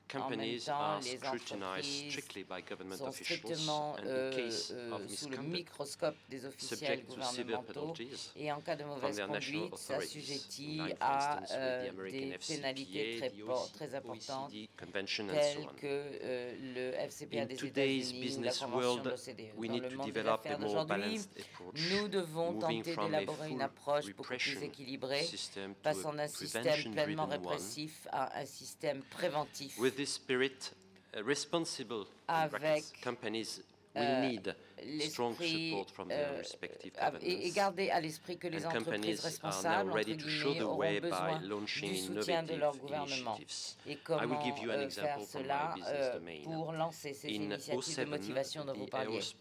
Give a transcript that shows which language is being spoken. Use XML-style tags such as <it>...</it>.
<fr>En même temps, les entreprises sont strictement sous le microscope des officiels gouvernementaux et en cas de mauvaise conduite, s'assujettit à des pénalités très importantes telles que le FCPA des États-Unis ou la Convention de l'OCDE. Dans le monde des affaires d'aujourd'hui, nous devons tenter d'élaborer une approche beaucoup plus équilibrée, passant d'un système pleinement répressif à un système préventif.</fr> <en>Spirit responsible</en> <fr>avec</fr> <en>companies will need strong support from their respective governments.</en> <fr>Et garder à l'esprit que les entreprises responsables entre guillemets auront besoin du soutien de leur gouvernement. Et comment faire cela pour lancer ces initiatives de motivation dont vous parliez.</fr>